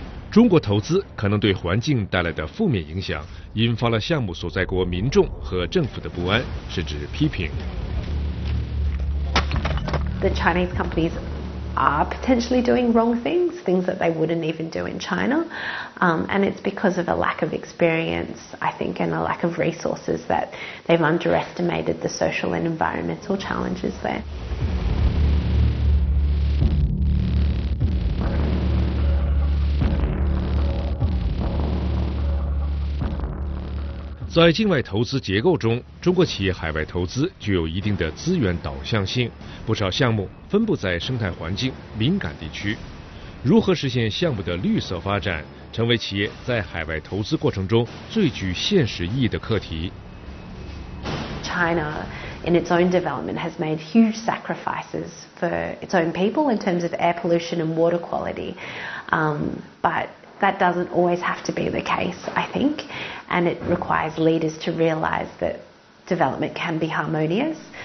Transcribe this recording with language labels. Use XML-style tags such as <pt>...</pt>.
<zh>中国投资可能对环境带来的负面影响，引发了项目所在国民众和政府的不安，甚至批评。</zh> <en>The Chinese companies are potentially doing wrong things, things that they wouldn't even do in China, and it's because of a lack of experience, I think, and a lack of resources that they've underestimated the social and environmental challenges there.</en> <zh>在境外投资结构中，中国企业海外投资具有一定的资源导向性，不少项目分布在生态环境敏感地区。如何实现项目的绿色发展，成为企业在海外投资过程中最具现实意义的课题。</zh> <en>China, in its own development, has made huge sacrifices for its own people in terms of air pollution and water quality, but. That doesn't always have to be the case, I think, and it requires leaders to realize that development can be harmonious.</en>